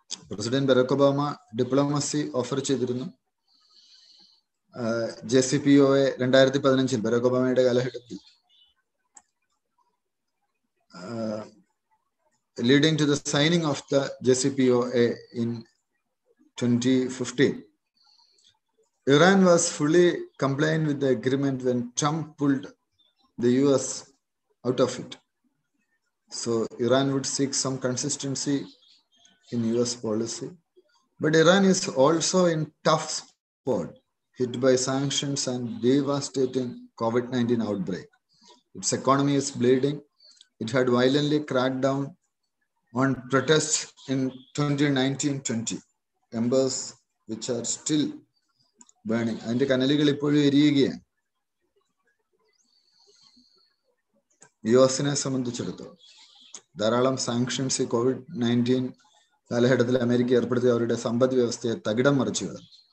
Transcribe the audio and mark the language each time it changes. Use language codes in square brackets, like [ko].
[ml] President Barack Obama diplomacy offer ചെയ്തിരുന്നു JCPOA 2015 Barack ഒബാമയുടെ കാലഘട്ടത്തിൽ, [en] leading to the signing of the JCPOA in 2015. Iran was fully compliant with the agreement when Trump pulled the US out of it. So Iran would seek some consistency in US policy. But Iran is also in tough spot, hit by sanctions and devastating COVID-19 outbreak. Its economy is bleeding. It had violently cracked down on protests in 2019-20, embers which are still burning. And the [ml] kanaligal ippozhum eriyukayanu. യുഎസിനെ സംബന്ധിച്ചിടത്തോളം ധാരാളം sanctions ഈ COVID-19 കാലഘട്ടത്തിൽ America ഏർപ്പെടുത്തിയ അവരുടെ സമ്പദ് വ്യവസ്ഥയെ തകിടം മറിച്ചു കളഞ്ഞു.